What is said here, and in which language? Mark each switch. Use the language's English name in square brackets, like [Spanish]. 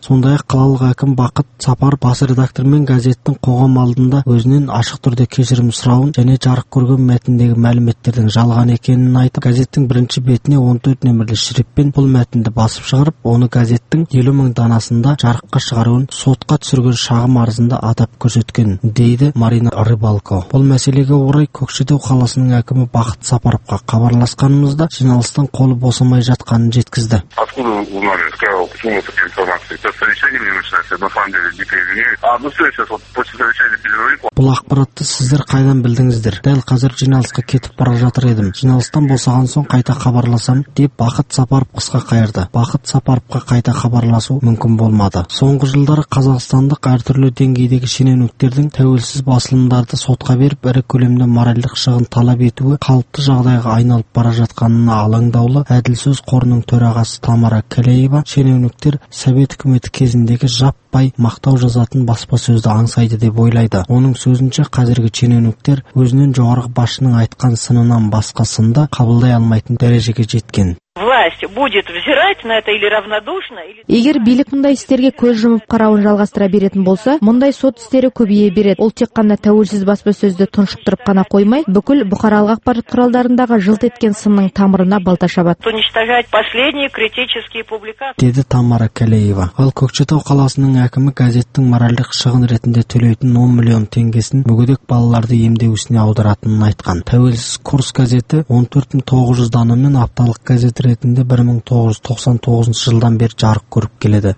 [Kazakh] Сондай қалалық әкім Бақыт Сапар бас редактор мен газеттің қоғам алдында өзінен ашық түрде кешірім сұрауын және жарық көрген мәтіндегі мәліметтердің жалған екенін айтып, газеттің бірінші бетіне 14 нөмірлі шрифтпен бұл мәтінді басып шығарып, оны газеттің 50 мың данасында жарыққа шығаруын сотқа түсірген шағым арызында атап көрсеткен, дейді Марина Рыбалко. Бұл мәселеге орай Көкшетау қаласының әкімі Бақыт Сапаровқа хабарласқанымызда жиналыстан қолы босамай жатқанын жеткізді. [Russian] Откуда у нас такая сумма информации? Сейчас совещание мне начинается, на самом деле, дико извиняюсь. А, ну все, сейчас вот после совещания перерыв. [Kazakh] Бұл ақпаратты сіздер қайдан білдіңіздер? Дәл қазір жиналысқа кетіп бара жатыр едім. Жиналыстан босаған соң қайта хабарласам деп Бақыт Сапаров қысқа қайырды. Бақыт Сапаровқа қайта хабарласу мүмкін болмады. Соңғы жылдары қазақстандық әртүрлі деңгейдегі шенеуніктердің тәуелсіз басылымдарды сотқа беріп, ірі көлемде моральдық шығын талап етуі қалыпты жағдайға айналып бара жатқанына алаңдаулы әділ сөз қорының төрағасы Тамара Кәлеева шенеуніктер совет үкіметі кезіндегі жаппай мақтау жазатын баспасөзді аңсайды деп ойлайды. Оның сөзінше қазіргі шенеуніктер өзінің жоғарғы басшының айтқан сынынан басқа сынды қабылдай алмайтын дәрежеге жеткен. [Russian] Власть будет взирать на это или равнодушно или. [Kazakh] Егер билік мұндай істерге көз жұмып қарауын жалғастыра беретін болса, мұндай сот істері көбейе береді. Ол тек қана тәуелсіз баспасөзді тұншықтырып қана қоймай, бүкіл бұқаралық ақпарат құралдарындағы жылт еткен сынның тамырына балта шабады. [Russian] Уничтожать последние критические публикации. [Kazakh] Деді Тамара Кәлеева. Ал Көкшетау қаласының әкімі газеттің моральдық шығын ретінде төлейтін 10 миллион теңгесін мүгедек балаларды емдеу ісіне аударатынын айтқан. Тәуелсіз Курс газеті 14900 данамен апталық газет ретінде газетінде 1999 жылдан бер жарық көріп келеді.